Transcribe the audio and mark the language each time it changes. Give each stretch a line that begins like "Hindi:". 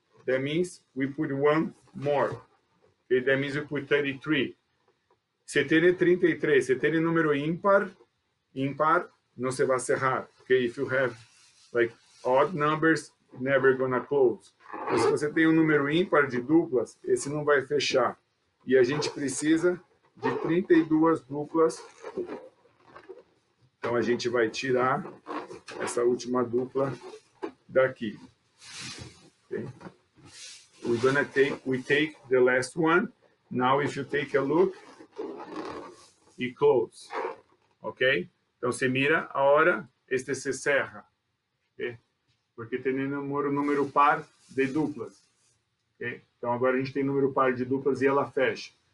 English: That means we put one more. Okay? That means we put 33.
Spanish: Se tiene 33, se tiene número impar, impar, no se va a cerrar.
English: Okay, if you have like odd numbers, never gonna close.
Portuguese: Então, se você tem um número ímpar de duplas, esse não vai fechar. E a gente precisa de 32 duplas. Então, a gente vai tirar essa última dupla daqui.
English: Okay. We're gonna take, we take the last one. Now, if you take a look, it closes. Ok?
Portuguese: Então, você mira a hora,
Spanish: este se cerra.
Portuguese: Okay. Porque tem o número par de duplas. Okay? Então, agora a gente tem número par de duplas e ela fecha.